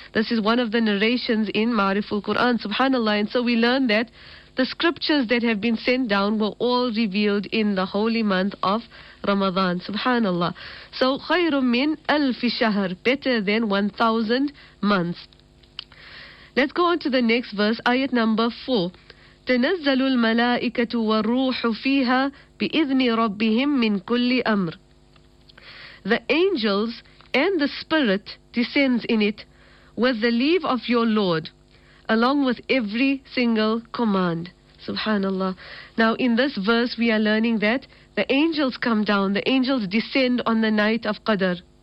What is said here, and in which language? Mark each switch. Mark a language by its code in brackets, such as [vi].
[en] This is one of the narrations in Ma'riful Quran, subhanAllah. And so we learn that the scriptures that have been sent down were all revealed in the holy month of Ramadan, subhanAllah. So, khayru min alfi shahr, better than 1,000 months. Let's go on to the next verse, ayat number 4. [ar] تنزل الملائكة والروح فيها بإذن ربهم من كل أمر. [en] The angels and the spirit descends in it with the leave of your Lord, along with every single command. Subhanallah. Now in this verse we are learning that the angels come down, the angels descend on the night of Qadr.